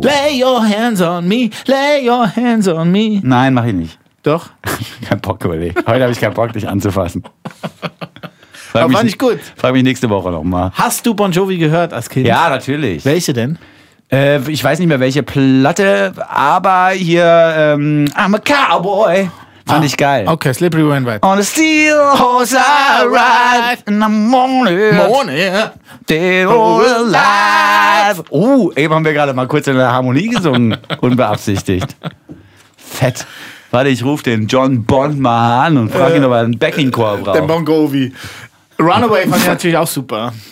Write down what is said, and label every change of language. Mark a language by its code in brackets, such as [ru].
[en] Lay your hands on me, lay your hands on me. [de] Nein, mach ich nicht. Doch. Kein Bock, Kollege. Heute habe ich keinen Bock, dich anzufassen. Aber war nicht gut. Frag mich nächste Woche nochmal. Hast du Bon Jovi gehört als Kind? Ja, natürlich. Welche denn? Ich weiß nicht mehr, welche Platte, aber hier, I'm a Cowboy, fand ich geil. Okay, Slippery When Wet. [en] On a steel horse I ride, in the morning, dead or alive. [de] Eben haben wir gerade mal kurz in der Harmonie gesungen, unbeabsichtigt. Fett. Warte, ich rufe den John Bond mal an und frage ihn, ob er einen Backing-Chor braucht. Den Bon Jovi. Runaway fand ich natürlich auch super.